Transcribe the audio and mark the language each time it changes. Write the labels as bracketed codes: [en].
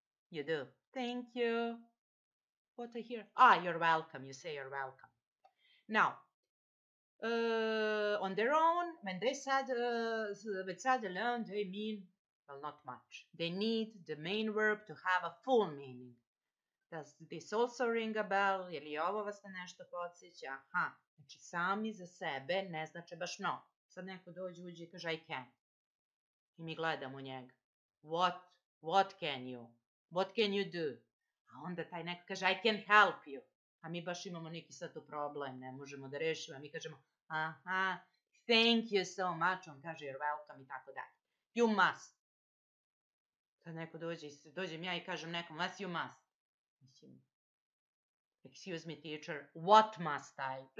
[en] You do. Thank you. What I hear? Ah, you're welcome. You say you're welcome. Now, on their own, when they said, with said alone, they mean, well, not much. They need the main verb to have a full meaning. Does this also ring a bell? [sr] Je li ovo vas na nešto podsjeća? Aha, znači sami za sebe ne znači baš no. Sad neko dođe uđe i kaže, I can. I mi gledamo njega. [en] What can you? What can you do? A onda taj neko kaže, I can help you. [sr] A mi baš imamo neki sad to problem, ne možemo da rešimo. A mi kažemo, aha, thank you so much, on kaže, you're welcome i tako dalje. You must. Kad neko dođe, dođem ja i kažem nekom, what you must? [en] Mislim, excuse me teacher, what must I?